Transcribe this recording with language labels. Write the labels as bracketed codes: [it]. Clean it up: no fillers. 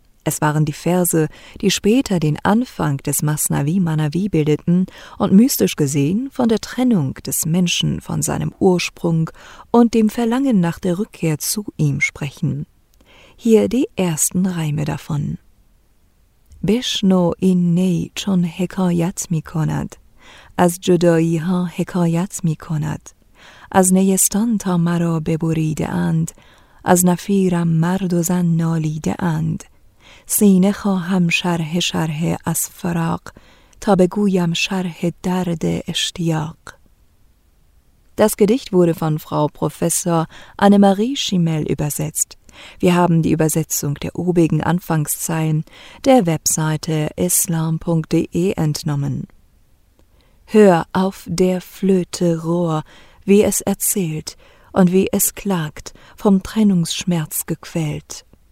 [de] Es waren die Verse, die später den Anfang des Masnavi Manavi bildeten und mystisch gesehen von der Trennung des Menschen von seinem Ursprung und dem Verlangen nach der Rückkehr zu ihm sprechen. Hier die ersten Reime davon. [fa] بشنو این نی چون حکایت می کند از جدایی ها حکایت می کند از نیستان تا مرا ببریده اند از نفیرم مرد و زن نالیده اند سینه خواهم شرح شرح از فراق تا بگویم شرح درد اشتیاق. [de] Das Gedicht wurde von Frau Professor Annemarie Schimmel übersetzt. Wir haben die Übersetzung der obigen Anfangszeilen der Webseite islam.de entnommen. Hör auf der Flöte Rohr, wie es erzählt und wie es klagt, vom Trennungsschmerz gequält.